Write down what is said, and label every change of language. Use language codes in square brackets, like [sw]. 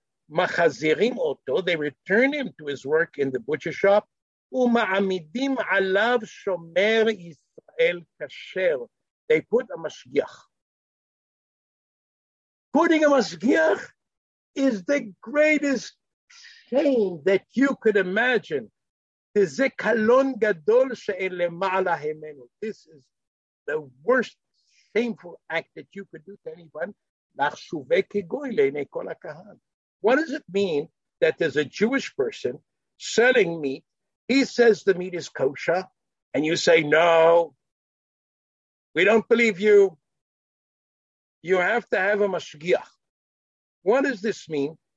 [he] Machazirim oto, [en] they return him to his work in the butcher shop, [he] ומעמידים עליו שומר ישראל כשר. [en] They put a mashgiach. Putting a mashgiach is the greatest shame that you could imagine. [he] זה קלון גדול שאין למעלה הימנו. [en] This is the worst shameful act that you could do to anyone. [he] לחשובי כגוי לעיני כל הקהל. [en] What does it mean that there's a Jewish person selling meat? He says the meat is kosher, and you say, no, we don't believe you. You have to have a mashgiach. What does this mean?